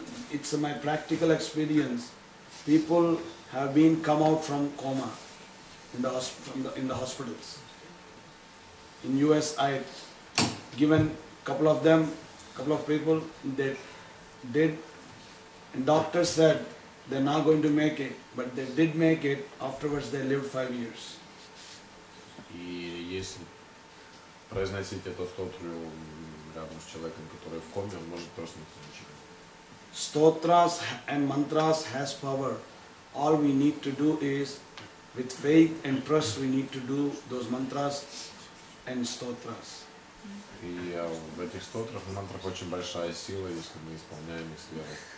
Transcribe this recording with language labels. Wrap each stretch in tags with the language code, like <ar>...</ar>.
<en>It's my practical experience. People have been come out from coma in the hospitals. In US, I given couple of people, they did, and doctor said they're not going to make it, but they did make it. Afterwards, they lived 5 years.</en> <ru>И если произносить эту стотру рядом с человеком, который в коме, он может проснуться ничего.</ru> <en>Stotras and mantras has power. All we need to do is with faith and trust we need to do those mantras and stotras.</en> <ru>И в этих стотрах и мантрах очень большая сила, если мы исполняем их с верой.</ru>